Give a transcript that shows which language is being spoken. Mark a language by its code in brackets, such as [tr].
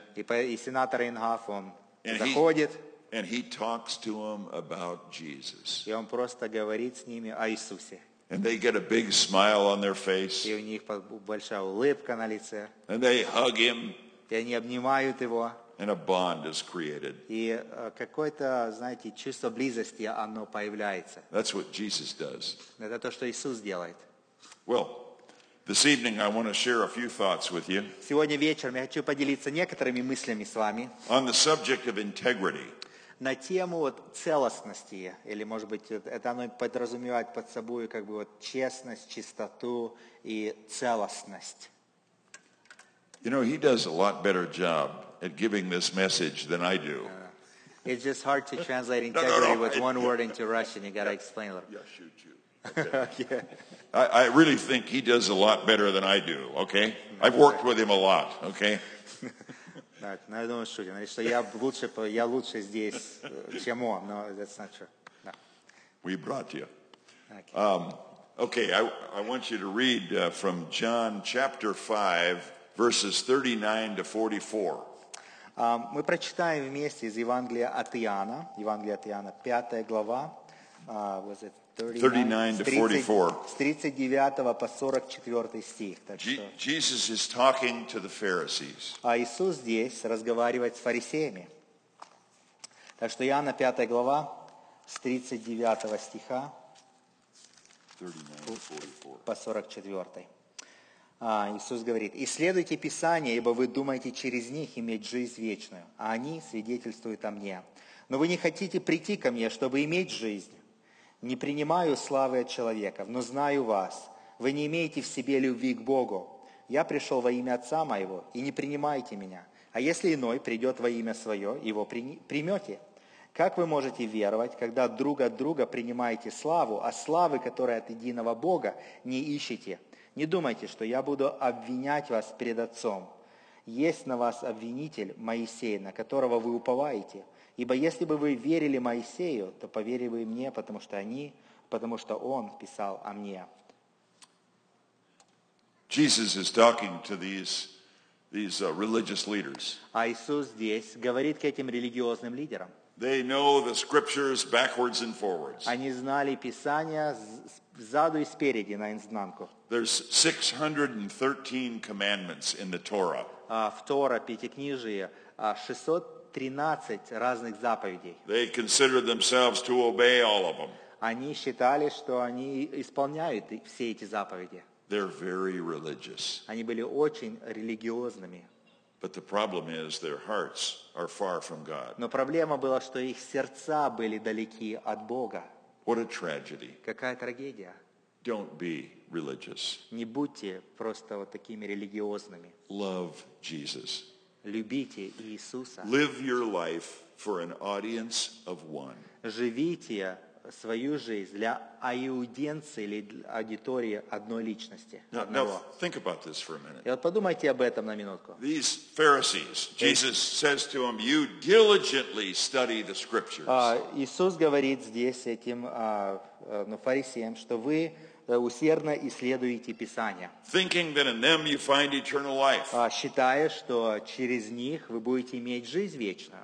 [ru] И сенатор Inhofe, он заходит. [en] And he talks to them about Jesus. [ru] И он просто говорит с ними о Иисусе. [en] And they get a big smile on their face. [ru] И у них большая улыбка на лице. [en] And they hug him. [ru] И они обнимают его. [en] And a bond is created. [ru] И какое-то, знаете, чувство близости, оно появляется. [en] That's what Jesus does. [ru] Это то, что Иисус делает. [en] Well, This evening I want to share a few thoughts with you. [ru] Сегодня вечером я хочу поделиться некоторыми мыслями с вами. [en] On the subject of integrity. [ru] На тему вот целостности, или, может быть, это оно подразумевает под собой как бы вот честность, чистоту и целостность. [en] You know, he does a lot better job at giving this message than I do. It's just hard to translate integrity with one word into Russian. You got to explain a little. Yeah, shoot you. Okay. Yeah. I really think he does a lot better than I do, okay? I've worked with him a lot, okay? I don't shoot you. I'm better here than you, but that's not true. No. We brought you. Okay, I want you to read from John chapter 5, verses 39 to 44. [ru] Мы прочитаем вместе из Евангелия от Иоанна. Евангелие от Иоанна, 5 глава. [en] 39 to 44. Jesus is talking to the Pharisees. [ru] Так что Иоанна, 5 глава, с 39 стиха. 39 по 44. Иисус говорит: «Исследуйте Писание, ибо вы думаете через них иметь жизнь вечную, а они свидетельствуют о мне. Но вы не хотите прийти ко мне, чтобы иметь жизнь. Не принимаю славы от человека, но знаю вас. Вы не имеете в себе любви к Богу. Я пришел во имя Отца моего, и не принимайте меня. А если иной придет во имя свое, его примете. Как вы можете веровать, когда друг от друга принимаете славу, а славы, которая от единого Бога, не ищете? Не думайте, что я буду обвинять вас перед Отцом. Есть на вас обвинитель Моисей, на которого вы уповаете. Ибо если бы вы верили Моисею, то поверили бы мне, потому что он писал о мне». [en] Jesus is talking to these religious leaders. [ru] А Иисус здесь говорит к этим религиозным лидерам. [en] They know the scriptures backwards and forwards. [ru] Они знали Писание сзаду и спереди, наизнанку. [en] There's 613 commandments in the Torah. [ru] В Тора, Пятикнижие, 613 разных заповедей. [en] They considered themselves to obey all of them. [ru] Они считали, что они исполняют все эти заповеди. [en] They're very religious. [ru] Они были очень религиозными. [en] But the problem is their hearts are far from God. [ru] Но проблема была, что их сердца были далеки от Бога. [en] What a tragedy. [ru] Какая трагедия. [en] Don't be religious. [ru] Не будьте просто вот такими религиозными. [en] Love Jesus. [ru] Любите Иисуса. [en] Live your life for an audience of one. [ru] Живите свою жизнь для аудиенции или аудитории одной личности. [en] Now, think about this for a minute. [ru] И вот подумайте об этом на минутку. [en] These Pharisees, Jesus says to them, you diligently study the scriptures. [ru] Иисус говорит здесь этим фарисеям, что вы усердно исследуете Писание. [en] Thinking that in them you find eternal life. [ru] Считая, что через них вы будете иметь жизнь вечную.